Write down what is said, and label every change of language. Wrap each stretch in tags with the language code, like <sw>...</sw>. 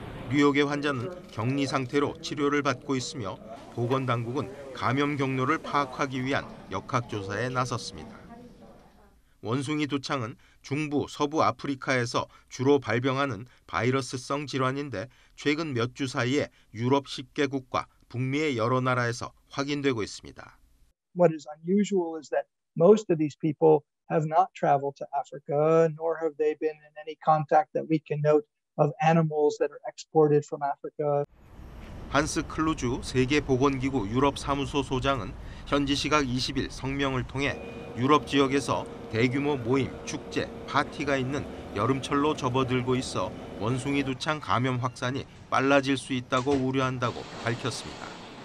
<ko>뉴욕의 환자는 격리 상태로 치료를 받고 있으며 보건당국은 감염 경로를 파악하기 위한 역학조사에 나섰습니다. 원숭이 도창은 중부, 서부 아프리카에서 주로 발병하는 바이러스성 질환인데 최근 몇 주 사이에 유럽 10개국과 북미의 여러 나라에서 확인되고 있습니다.</ko> <en>What is unusual is that most of these people have not traveled to Africa, nor have they been in any contact that we can note of animals that are exported from Africa.</en> <ko>한스 클루주 세계보건기구 유럽사무소 소장은 현지 시각 20일 성명을 통해 유럽 지역에서 대규모 모임, 축제, 파티가 있는 여름철로 접어들고 있어 원숭이 두창 감염 확산이 빨라질 수 있다고 우려한다고 밝혔습니다.</ko>